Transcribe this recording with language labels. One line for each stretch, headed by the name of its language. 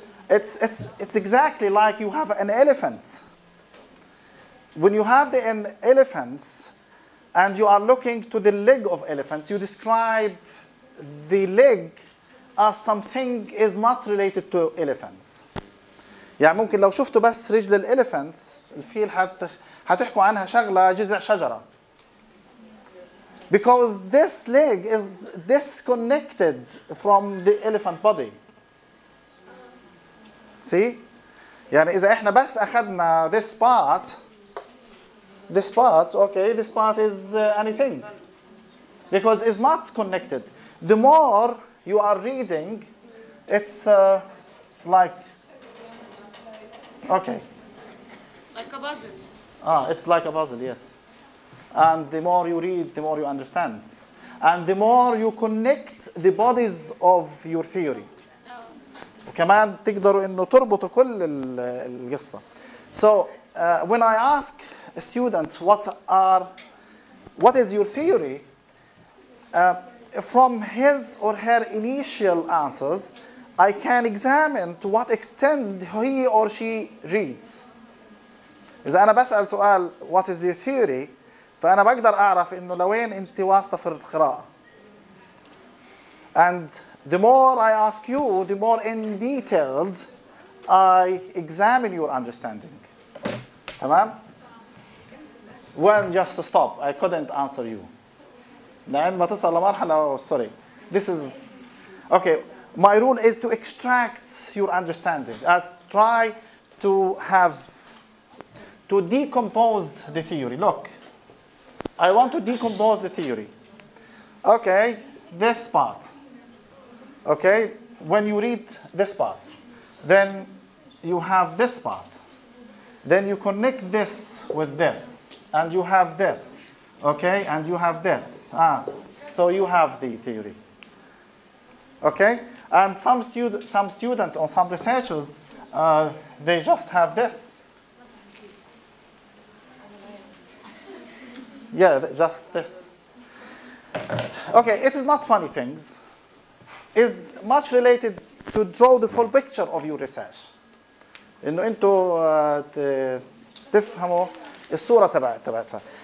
English: It's exactly like you have an elephant. When you have an elephant and you are looking to the leg of elephants, you describe the leg as something is not related to elephants.
Arabic: يعني ممكن لو شفتوا بس رجل الإليفنت الفيل هتحكوا عنها شغلة جزء شجرة.
English: Because this leg is disconnected from the elephant body. See? يعني إذا إحنا بس أخذنا this part, okay, this part is anything. Because it's not connected. The more you are reading, it's like, okay. Like a puzzle. It's like a puzzle, yes. And the more you read, the more you understand. And the more you connect the bodies of your theory.
Arabic: وكمان تقدروا انه تربطوا كل القصة.
English: So, when I ask students what is your theory, from his or her initial answers, I can examine to what extent he or she reads.
Arabic: إذا أنا بسأل سؤال what is your theory, فأنا بقدر أعرف إنه لوين أنت واسطة في القراءة.
English: And the more I ask you, the more in details I examine your understanding. تمام؟ Well, just to stop. I couldn't answer you.
Arabic: لأن ما تصل لمرحلة sorry.
English: This is okay. My role is to extract your understanding. I try to to decompose the theory. Look. I want to decompose the theory. Okay, this part. Okay, when you read this part, then you have this part. Then you connect this with this, and you have this. Okay, and you have this. So you have the theory. Okay, and some student or some researchers, they just have this. Yeah, just this. Okay, it is not funny things. It's much related to draw the full picture of your research.
Arabic: إنه أنتوا تفهموا الصورة تبعتها.